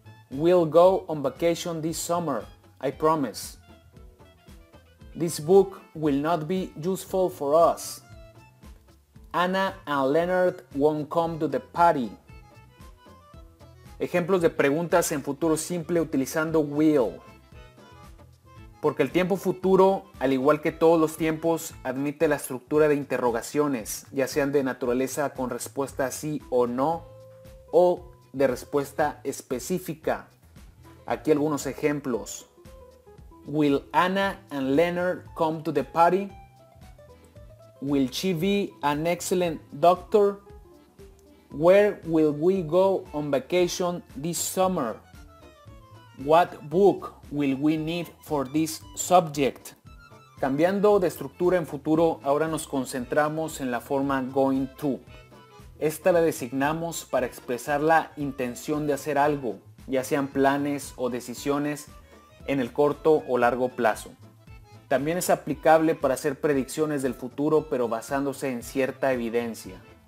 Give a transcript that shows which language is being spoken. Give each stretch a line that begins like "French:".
English: We'll go on vacation this summer, I promise. This book will not be useful for us. Anna and Leonard won't come to the party.
Spanish: Ejemplos de preguntas en futuro simple utilizando will. Porque el tiempo futuro, al igual que todos los tiempos, admite la estructura de interrogaciones, ya sean de naturaleza con respuesta sí o no, o de respuesta específica. Aquí algunos ejemplos.
English: Will Anna and Leonard come to the party? Will she be an excellent doctor? Where will we go on vacation this summer? What book will we need for this subject?
Spanish: Cambiando de estructura en futuro, ahora nos concentramos en la forma going to. Esta la designamos para expresar la intención de hacer algo, ya sean planes o decisiones en el corto o largo plazo. También es aplicable para hacer predicciones del futuro, pero basándose en cierta evidencia.